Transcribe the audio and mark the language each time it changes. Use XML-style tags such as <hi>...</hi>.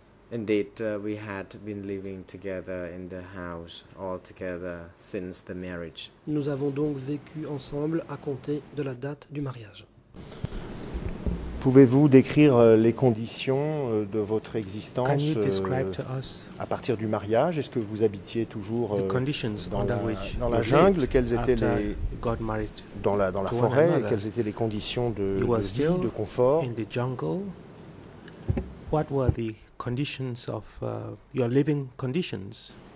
<en>Indeed, we had been living together in the house all together since the marriage.</en> <fr>Nous avons donc vécu ensemble à compter de la date du mariage. Pouvez-vous décrire les conditions de votre existence à partir du mariage? Est-ce que vous habitiez toujours dans la jungle? Quelles étaient les dans la forêt? Quelles étaient les conditions de vie, de confort?</fr> <en>In the jungle, what were the conditions of your living conditions?</en>